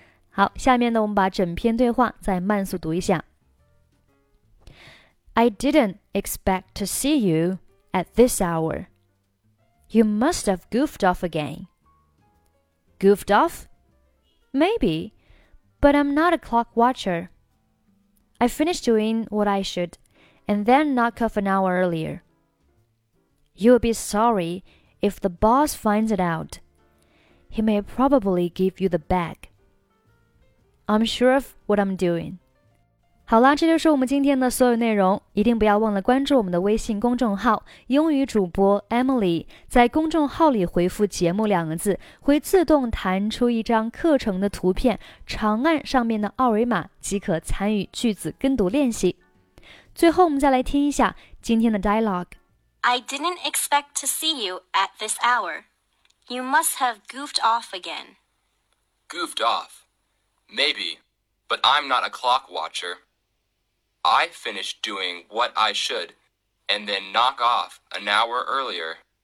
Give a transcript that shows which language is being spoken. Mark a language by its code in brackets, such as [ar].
[zh] 好，下面呢，我们把整篇对话再慢速读一下。 [en] I didn't expect to see you at this hour. You must have goofed off again. Goofed off? Maybe, but I'm not a clock watcher. I finished doing what I should, and then knock off an hour earlier. You'll be sorry if the boss finds it out. He may probably give you the bag. I'm sure of what I'm doing. [zh] 好啦，这就是我们今天的所有内容。一定不要忘了关注我们的微信公众号英语主播 Emily， 在公众号里回复节目两个字，会自动弹出一张课程的图片，长按上面的二维码即可参与句子跟读练习。最后我们再来听一下今天的 dialogue。 [en] I didn't expect to see you at this hour. You must have goofed off again. Goofed off? Maybe, but I'm not a clock watcher. I finished doing what I should, and then knock off an hour earlier.